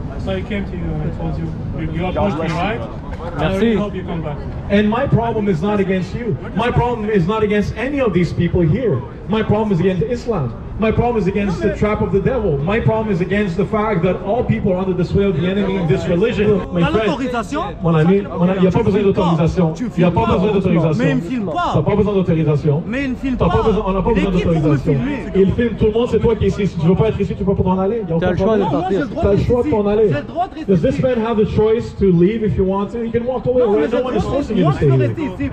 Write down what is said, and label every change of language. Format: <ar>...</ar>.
<en>So I came to you and told you, you are pushed me, right?</en> <fr>Merci.</fr> <en>I really hope you come back. And my problem is not against you. My problem is not against any of these people here. My problem is against Islam. My problem is against the trap of the devil. My problem is against the fact that all people are under the sway of the enemy in this religion. My friend,</en> <fr>mon ami, il n'y a pas besoin d'autorisation. Il n'y a pas besoin d'autorisation. Mais il ne filme pas. Tu n'as pas besoin d'autorisation. Mais il ne filme pas. On n'a pas besoin d'autorisation. Il filme tout le monde, c'est toi qui es ici. Si tu ne veux pas être ici, tu peux pas t'en aller. Tu as le choix de partir. Tu as le choix de t'en aller. J'ai le droit de rester.</fr> <en>Does this man have the choice to leave if you want to? He can walk away. No one is forcing you to stay here.</en>